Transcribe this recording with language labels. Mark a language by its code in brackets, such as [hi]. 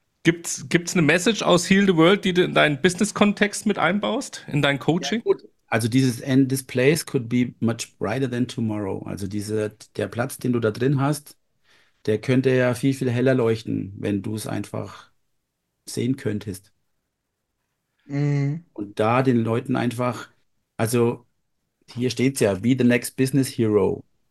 [de] Gibt es eine Message aus Heal the World, die du in deinen Business-Kontext mit einbaust, in dein Coaching? Gut. Also dieses [en] End, this place could be much brighter than tomorrow. [de] Also der Platz, den du da drin hast, der könnte ja viel, viel heller leuchten, wenn du es einfach sehen könntest. Und da den Leuten einfach, also hier steht es ja, [en] be the next Business Hero.